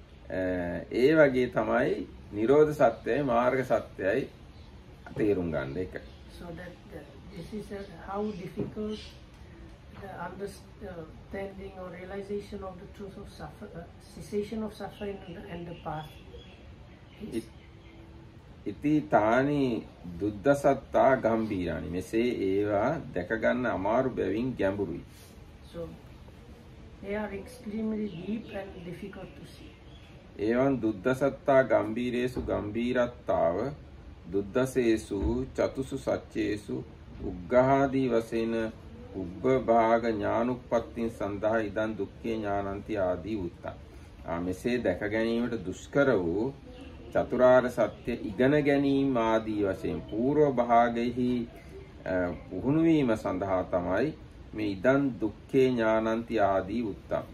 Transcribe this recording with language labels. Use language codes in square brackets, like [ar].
[si] ඒ වගේ තමයි නිරෝධ සත්‍යයයි මාර්ග සත්‍යයයි තේරුම් ගන්න එක. [en] So that this is how difficult the understanding or realization of the truth of suffering, cessation of suffering and the path. [pi] ඉති තානි දුද්ධ සත්තා ගම්බීරානි [si] මෙසේ ඒවා දැක ගන්න අමාරු බැවින් ගැඹුරුයි. [en] So they are extremely deep and difficult to see. [pi] එවන් දුද්දසත්තා ගම්බීරේසු ගම්බීරත්තාව දුද්දසේසු චතුසු සච්චේසු උග්ගහාදී වශයෙන් උබ්බ භාග ඥානුප්පත්තින් සඳහා ඉදන් දුක්ඛේ ඥානන්ති ආදී උත්ත. [si] මෙසේ දැක ගැනීමට දුෂ්කර වූ චතුරාර්ය සත්‍ය ඉගෙන ගැනීම ආදී වශයෙන් පූර්ව භාගෙහි පුහුණු වීම සඳහා තමයි මේ [pi] ඉදන් දුක්ඛේ ඥානන්ති ආදී උත්ත.